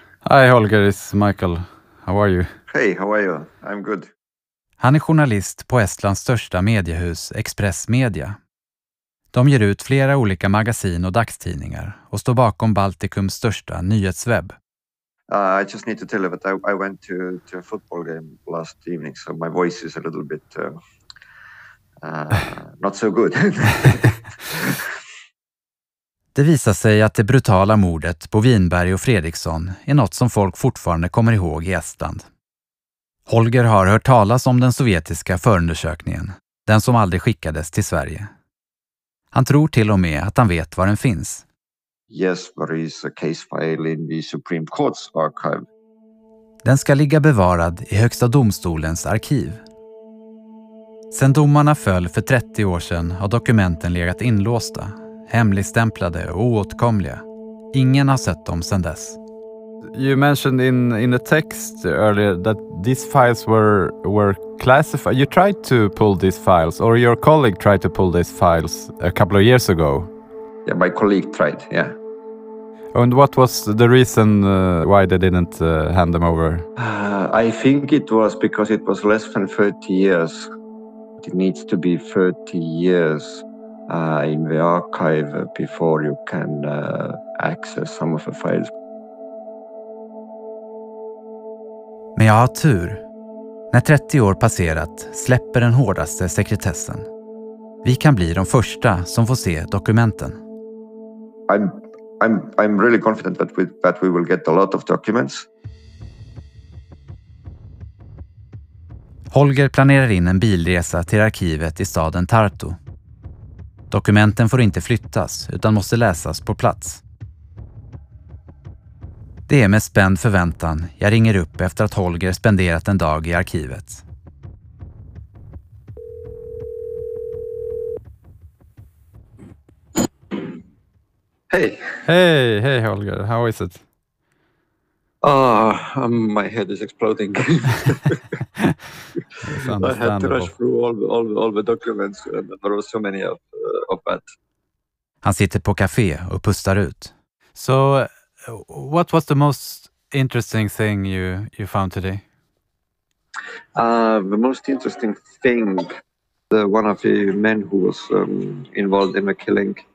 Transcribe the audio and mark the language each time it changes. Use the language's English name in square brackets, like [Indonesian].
[English] Hi Holger, it's Michael. How are you? Hey, how are you? I'm good. [Swedish] Han är journalist på Estlands största mediehus Express Media. De ger ut flera olika magasin och dagstidningar och står bakom Baltikums största nyhetswebb. [English] I just need to tell you that I went to a football game last evening, so my voice is a little bit not so good. [Swedish] Det visar sig att det brutala mordet på Winberg och Fredriksson är något som folk fortfarande kommer ihåg i Estland. Holger har hört talas om den sovjetiska förundersökningen, den som aldrig skickades till Sverige. Han tror till och med att han vet var den finns. [English] Yes, there is a case file in the Supreme Court's archive. [Swedish] Den ska ligga bevarad i Högsta domstolens arkiv. Sen domarna föll för 30 år sedan har dokumenten legat inlåsta, hemligstämplade och oåtkomliga. Ingen har sett dem sedan dess. [English] You mentioned in a text earlier that these files were classified. You tried to pull these files, or your colleague tried to pull these files a couple of years ago. Yeah, my colleague tried, yeah. And what was the reason why they didn't hand them over? I think it was because it was less than 30 years. It needs to be 30 years in the archive before you can access some of the files. [Swedish] Men jag har tur. När 30 år passerat släpper den hårdaste sekretessen. Vi kan bli de första som får se dokumenten. [English] I'm really confident that we will get a lot of documents. [Swedish] Holger planerar in en bilresa till arkivet i staden Tartu. Dokumenten får inte flyttas utan måste läsas på plats. Det är med spänd förväntan jag ringer upp efter att Holger spenderat en dag i arkivet. Hej! Hej, hej [English] Holger. How is it? My head is exploding. I had to rush through all the documents and there were so many of that. [Swedish] Han sitter på café och pustar ut. [English] So, what was the most interesting thing you found today? The most interesting thing, the one of the men who was involved in the killing.